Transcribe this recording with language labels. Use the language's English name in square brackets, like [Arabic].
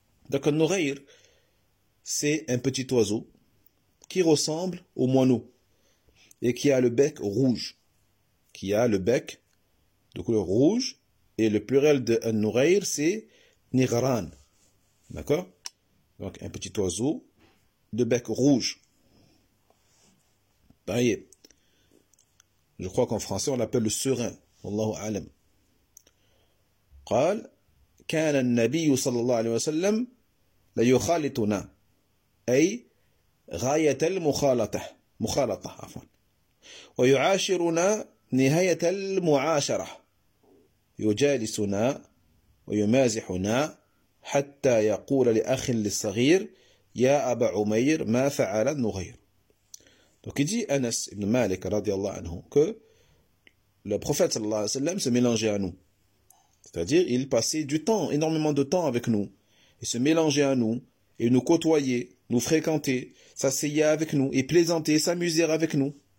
[French] Donc nourrir, c'est un petit oiseau qui ressemble au moineau et qui a le bec rouge, qui a le bec de couleur rouge, et le pluriel de nourrir, c'est nigran. D'accord? Donc un petit oiseau de bec rouge. Pareil. Je crois qu'en français on l'appelle le serin. [Arabic] Allahu alam. قال كان النبي صلى الله عليه وسلم لا يخالطنا أي غاية المخالطة مخالطة عفوا ويعاشرنا نهاية المعاشرة يجالسنا ويمازحنا حتى يقول لأخ الصغير يا أبا عمير ما فعل النغير. [French] Donc il dit Anas ibn Malik radiallahu anhu que le prophète sallallahu alayhi wa sallam se mélangeait à nous. C'est-à-dire, il passait du temps, énormément de temps avec nous. Il se mélangeait à nous, il nous côtoyait, nous fréquentait, s'asseyait avec nous, et plaisantait, s'amusait avec nous.